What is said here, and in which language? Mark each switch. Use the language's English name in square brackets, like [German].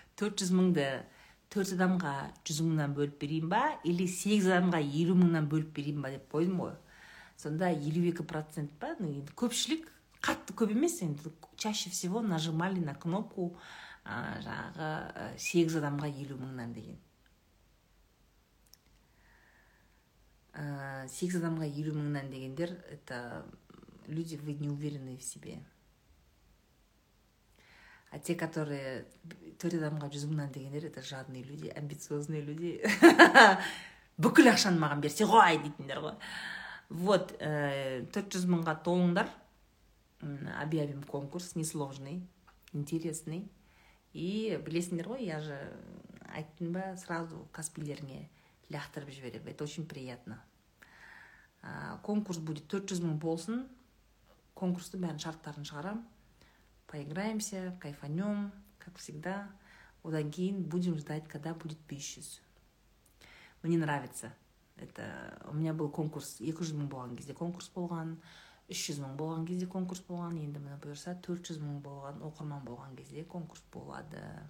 [Kazakh] 400 мыңды 4 адамға 100 мыңнан бөліп берейін ба, или 8 адамға 50 мыңнан бөліп берейін ба деп қойдым ғой. Сонда 52% ба, ну енді көпшілік қатты көп емес, енді [Russian] чаще всего нажимали на кнопку, [Kazakh] жағы 8 адамға 50 мыңнан деген. 8 адамға 50 мыңнан дегендер, [Russian] это люди, вы не уверены в себе. А те, которые [Kazakh] 4 адамға 100 мыңнан дегендер, [Russian] это жадные люди, амбициозные люди. [Kazakh] Бүкіл ақшаны маған берсе ғой дейтіндер ғой. Вот, 400 мыңға толыңдар. [Russian] Объявим конкурс, несложный, интересный. [Kazakh] И білесіңдер ғой, [Russian] я же [Kazakh] айттым ба, сразу каспилеріне ляқтырып жіберем. [Russian] Это очень приятно. Конкурс будет 400 [Kazakh] мың болсын. Конкурсты бәрін шарттарын шығарам. [Russian] Поиграемся, кайфанем, как всегда. [Kazakh] Одан кейін [Russian] будем ждать, когда будет 500. Мне нравится. Это у меня был [Kazakh] конкурс 200 мың болған кезде конкурс болған, 300 мың болған кезде конкурс болған, енді мына бұйырса 400 мың болған оқырман болған кезде конкурс болады.